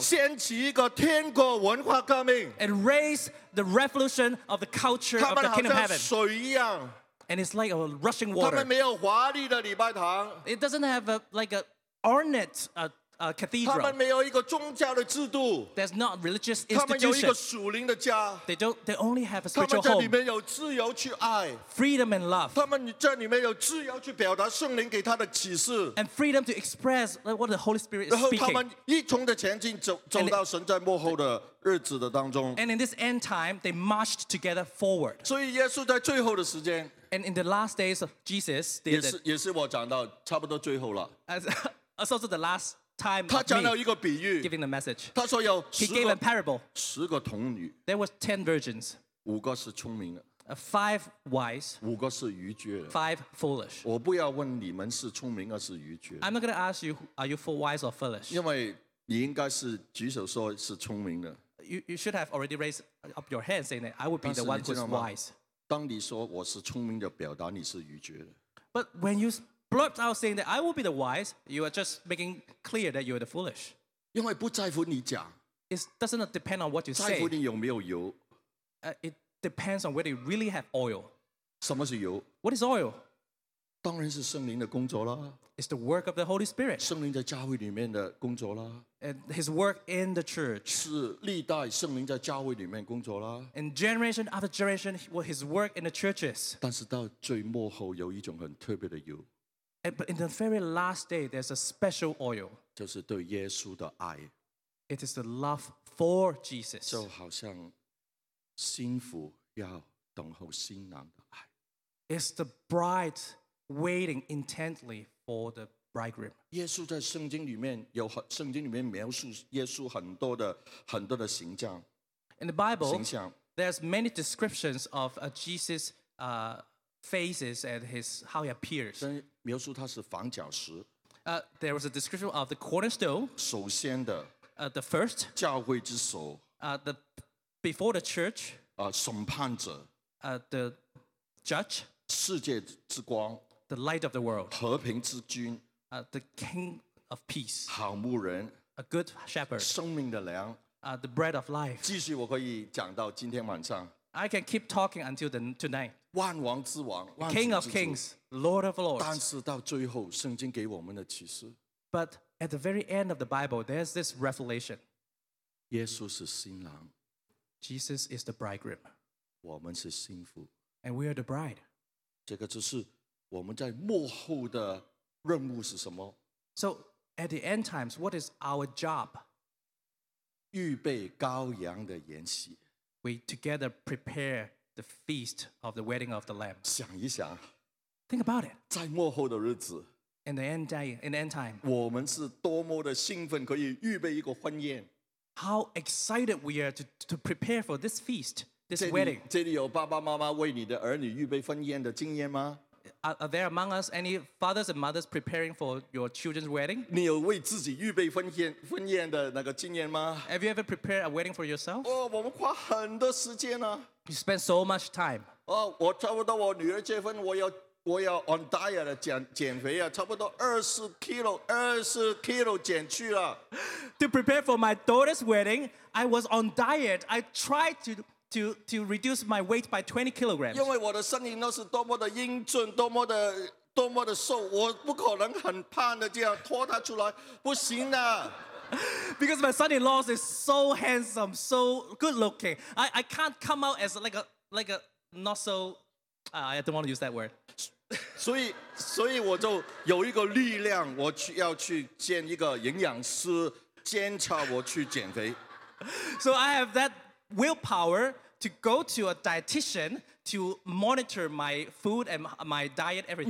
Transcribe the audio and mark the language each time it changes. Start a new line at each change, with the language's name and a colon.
Chinese: 掀起一个天国文化革命
English: and raise the revolution of the culture of the kingdom of heaven
Chinese: 他们好像水一样
English: and it's like a rushing water
Chinese: 他们没有华丽的礼拜堂
English: it doesn't have like an ornate cathedral
Chinese: 他们没有一个宗教的制度
English: there's not religious institution
Chinese: 他们有一个属灵的家
English: they only have a spiritual home
Chinese: 他们在里面有自由去爱
English: freedom and love
Chinese: 他们在里面有自由去表达圣灵给他的启示
English: and freedom to express what the Holy Spirit is speaking
Chinese: 然后他们一同的前进 走到神在幕后的日子的当中
English: and in this end time they marched together forward
Chinese: 所以耶稣在最后的时间
English: and in the last days of Jesus
Chinese: 也是我讲到差不多最后了
English: as also the last time
Chinese: 他讲了一个比喻
English: giving the message
Chinese: 他说有
English: he gave a parable
Chinese: 十个童女
English: there were 10 virgins
Chinese: 五个是聪明的
English: 5 wise
Chinese: 五个是愚拙的
English: 5 foolish
Chinese: 我不要问你们是聪明还是愚拙
English: I'm not going to ask you are you full wise or foolish
Chinese: 因为你应该是举手说是聪明的
English: you should have already raised up your hand saying that I would be the one who's wise
Chinese: 当你说我是聪明的表达你是愚拙的
English: but when you blurt out saying that I will be the wise, you are just making clear that you are the foolish. It doesn't depend on what you say.
Chinese: 在乎你有没有油
English: it depends on whether you really have oil.
Chinese: 什么是油
English: What is oil?
Chinese: 当然是圣灵的工作啦
English: It's the work of the Holy Spirit.
Chinese: 圣灵在教会里面的工作啦
English: And his work in the church.
Chinese: 是历代圣灵在教会里面工作啦
English: And generation after generation, his work in the churches.
Chinese: 但是到最末后有一种很特别的油
English: But in the very last day, there's a special oil.
Chinese: 就是对耶稣的爱。
English: It is the love for Jesus.
Chinese: 就好像新妇要等候新郎的爱。
English: It's the bride waiting intently for the bridegroom.
Chinese: 耶稣在圣经里面有圣经里面描述耶稣很多的形象。
English: In the Bible, there's many descriptions of Jesus. Faces and how he appears.
Chinese: 描述他是房角石。
English: There was a description of the cornerstone.
Chinese: 首先的。
English: The first.
Chinese: 教会之首。
English: The before the church.
Chinese: 审判者。
English: The judge.
Chinese: 世界之光。
English: The light of the world.
Chinese: 和平之君。
English: The king of peace.
Chinese: 好牧人。
English: A good shepherd.
Chinese: 生命的粮。
English: The bread of life.
Chinese: 继续，我可以讲到今天晚上。
English: I can keep talking until tonight.
Chinese: 万王之王
English: King of kings, Lord of lords.
Chinese: 但是到最后，圣经给我们的启示。
English: But at the very end of the Bible, there's this revelation.
Chinese: 耶稣是新郎。
English: Jesus is the bridegroom.
Chinese: 我们是新妇。
English: And we are the bride.
Chinese: 这个就是我们在幕后的任务是什么。
English: So at the end times, what is our job?
Chinese: 预备羔羊的筵席。
English: We together prepare the feast of the wedding of the Lamb.
Chinese: 想一想
English: Think about it.
Chinese: 在末后的日子
English: In the end day, in the end time.
Chinese: 我们是多么的兴奋可以预备一个婚宴
English: How excited we are to prepare for this feast, this wedding.
Chinese: 这里有爸爸妈妈为你的儿女预备婚宴的经验吗
English: Are there among us any fathers and mothers preparing for your children's wedding?
Chinese: 你有为自己预备婚宴的那个经验吗
English: Have you ever prepared a wedding for yourself?
Chinese: 哦，我们花很多时间啊。
English: You spend so much time.
Chinese: 哦，我差不多我女儿结婚，我要
English: on diet
Chinese: 减肥啊，差不多20 kilo 减去了。
English: To prepare for my daughter's wedding, I was on diet. I tried to reduce my weight by 20 kilograms.
Chinese: 因为我的身体那是多么的英俊，多么的瘦，我不可能很胖的这样拖她出来，不行的。
English: Because my son-in-law is so handsome, so good-looking, I can't come out as like a not so. I don't want to use that word.
Chinese: 所以我就有一个力量，我要去见一个营养师监察我去减肥。
English: So I have that willpower. To go to a dietitian to monitor my food and my diet everything.